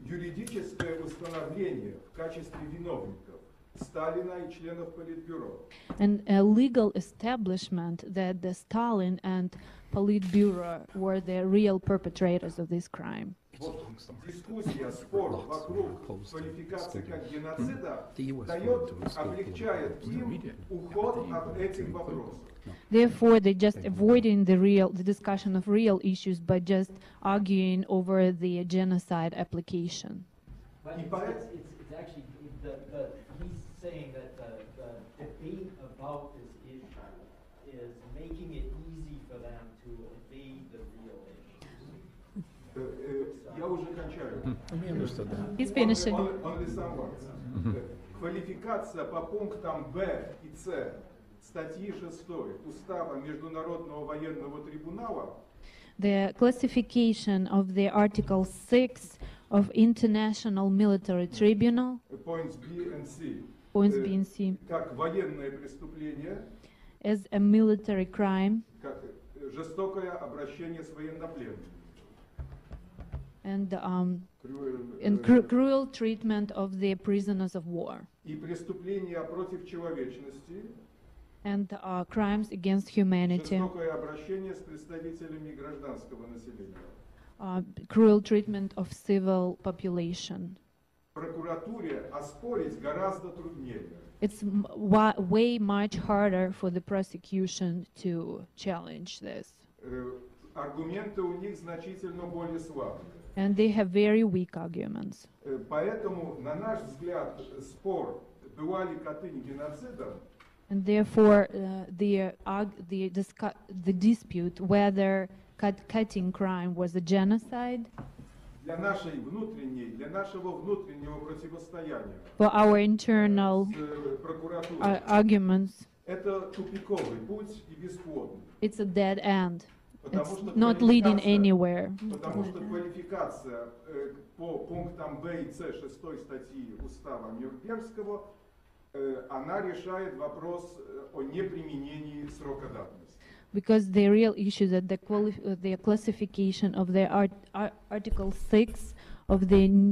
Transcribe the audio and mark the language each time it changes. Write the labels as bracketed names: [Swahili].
[Russian] Юридическое установление в качестве виновников Сталина и членов Политбюро. [English] And a legal establishment that the Stalin and Politburo were the real perpetrators of this crime. [Russian] Дискуссия, спор вокруг квалификации как геноцида облегчает им уход от этих вопросов. [English] Therefore, they're just avoiding the discussion of real issues by just arguing over the genocide application. But it's actually he's saying that the debate about this issue is making it easy for them to evade the real issues. He's finishing. Only some words. [Russian] Квалификация по пунктам Б и С статьи 6 Устава Международного военного трибунала. [English] The classification of the Article 6 of International Military Tribunal. Points B and C. Points B and C. [Russian] Как военное преступление. [English] As a military crime. [Russian] Как жестокое обращение с военнопленными. [English] And cruel treatment of the prisoners of war. [Russian] И преступления против человечности. [English] And crimes against humanity. [Russian] Жестокое обращение с представителями гражданского населения. [English] Cruel treatment of civil population. [Russian] Прокуратуре оспорить гораздо труднее. [English] It's way much harder for the prosecution to challenge this. [Russian] Аргументы у них значительно более слабые. [English] And they have very weak arguments. [Russian] Поэтому, на наш взгляд, спор, была ли Катынь геноцидом, [English] and therefore, the dispute whether Katyn crime was a genocide. [Russian] Для нашей внутренней, для нашего внутреннего противостояния. [English] For our internal arguments. [Russian] Это тупиковый путь и бесплодный. [English] It's a dead end. It's not leading anywhere. [Russian] Потому что квалификация по пунктам Б и С 6 статьи Устава Нюрнбергского. Она решает вопрос о неприменении срока давности. [English] Because the real issue that the classification of the Article 6 of the